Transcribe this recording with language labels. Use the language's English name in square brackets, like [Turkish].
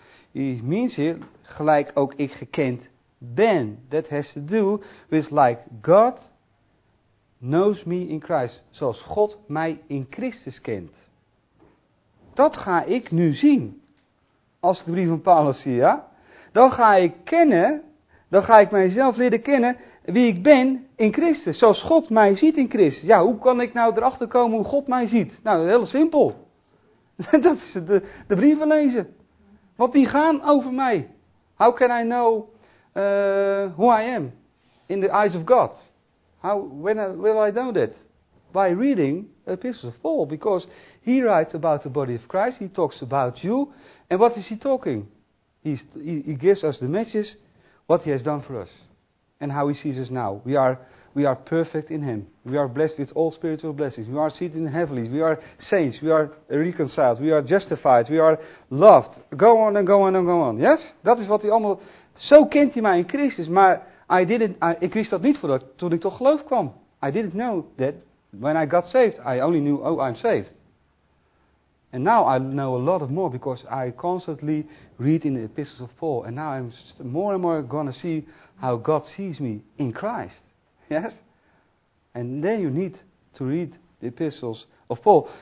[English] He means here, [Dutch] gelijk ook ik gekend ben. [English] That has to do with like God knows me in Christ. [Dutch] Zoals God mij in Christus kent. Dat ga ik nu zien. Als ik de brief van Paulus zie, ja. Dan ga ik kennen. Dan ga ik mijzelf leren kennen wie ik ben in Christus. Zoals God mij ziet in Christus. Ja, hoe kan ik nou erachter komen hoe God mij ziet? Nou, heel simpel. Dat is de brief van lezen. Want die gaan over mij. [English] How can I know who I am in the eyes of God? When will I know that? By reading epistles of Paul, because he writes about the body of Christ, he talks about you, and what is he talking? He gives us the message, what he has done for us, and how he sees us now. We are perfect in him. We are blessed with all spiritual blessings. We are seated in the heavenlies. We are saints. We are reconciled. We are justified. We are loved. Go on and go on and go on. Yes? [Dutch] Dat is wat hij allemaal... Zo kent hij mij in Christus, maar ik wist dat niet voordat toen ik tot geloof kwam. [English] I didn't know that. When I got saved, I only knew, oh, I'm saved. And now I know a lot of more because I constantly read in the epistles of Paul. And now I'm more and more going to see how God sees me in Christ. Yes? And then you need to read the epistles of Paul.